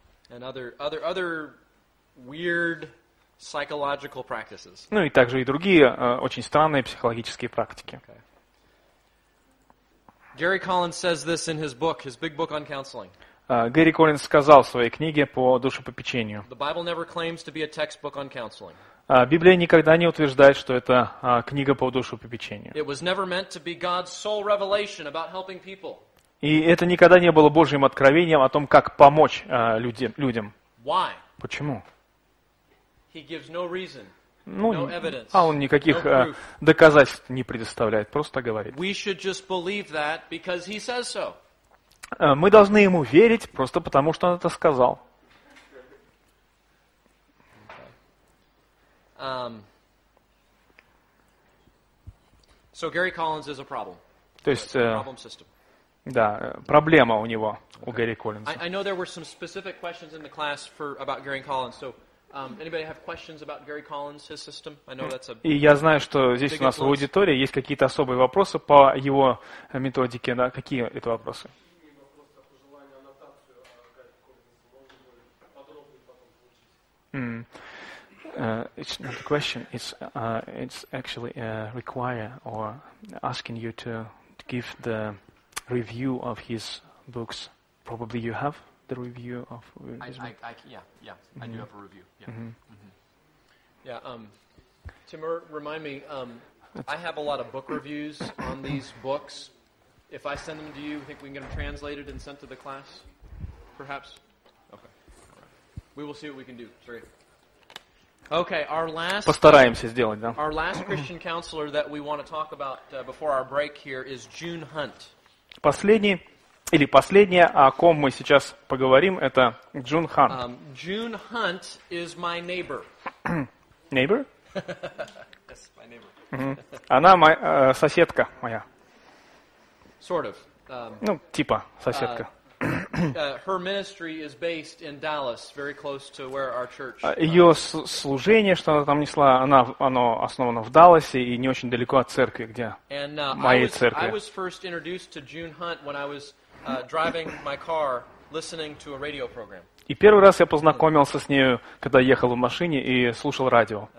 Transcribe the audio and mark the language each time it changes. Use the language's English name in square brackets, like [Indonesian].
[English] And other weird psychological practices. [Russian] Ну и также и другие очень странные психологические практики. [English] Okay. Gary Collins says this in his book, his big book on counseling. [Russian] Гэри Коллинз сказал в своей книге по душепопечению. [English] The Bible never claims to be a textbook on counseling. [Russian] Библия никогда не утверждает, что это книга по душепопечению. [English] It was never meant to be God's sole revelation about helping people. [Russian] И это никогда не было Божьим откровением о том, как помочь людям. [English] Why? [Russian] Почему? [English] He gives no reason, [Russian] ну, [English] no evidence, [Russian] а он никаких [English] no proof. [Russian] Доказательств не предоставляет, просто говорит. [English] We should just believe that because he says so. [Russian] Мы должны ему верить просто потому, что он это сказал. [English] Okay. So Gary Collins is a problem. [Russian] То есть, [English] problem system. [Russian] Да, проблема у него, okay. У Гэри Коллинза. [English] I know there were some specific questions in the class for about Gary Collins. So, anybody have questions about Gary Collins, his system? I know that's a. [Russian] И я знаю, что здесь у нас в аудитории есть какие-то особые вопросы по его методике, да? Какие это вопросы? [English] The question is, it's actually a require or asking you to give the review of his books. Probably you have the review of his book. I do have a review. Yeah. Mm-hmm. Mm-hmm. Yeah. Tim, remind me. I have a lot of book reviews on these books. If I send them to you, I think we can get them translated and sent to the class. Perhaps. Okay. We will see what we can do. Sorry. Okay. Our last. [Russian] Постараемся сделать, да. [English] Our last Christian counselor that we want to talk about before our break here is June Hunt. [Russian] Последний, или последнее, о ком мы сейчас поговорим, это Джун Хант. [English] Джун Хант is my neighbor. Neighbor? Yes, my neighbor. [Russian] Mm-hmm. Она моя соседка моя. [English] Sort of. [Russian] Ну, типа соседка. [English] her ministry is based in Dallas, very close to where our church. [Russian] Ее служение, что она там несла, оно основано в Далласе и не очень далеко от церкви, где моей церкви. [English] I was first introduced to June Hunt when I was driving my car listening to a radio program. [Russian] И первый раз я познакомился с нею, когда ехал в машине и слушал радио.